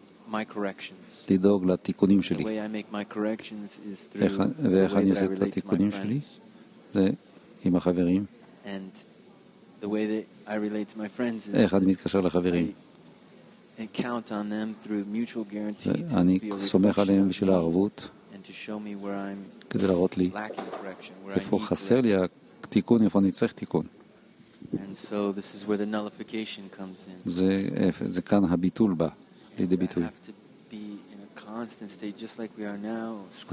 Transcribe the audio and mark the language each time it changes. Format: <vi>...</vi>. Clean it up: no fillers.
<en>my corrections.</en> <he>לדאוג לתיקונים שלי.</he> <en>The way I make my corrections is through the way that I relate to my friends.</en> <he>שלי,</he> <en>and the way that I relate to my friends is</en> <he>איך אני מתקשר לחברים.</he> <en>And count on them through mutual guarantee.</en> <he>אני סומך עליהם בשביל הערבות.</he> <en>And to show me where I'm lacking correction,</en> <he>איפה אני צריך תיקון.</he> <en>And so this is where the nullification comes in.</en> <he>זה כאן הביטול בא.</he> <en>We have to be in a constant state, just like we are now.</en>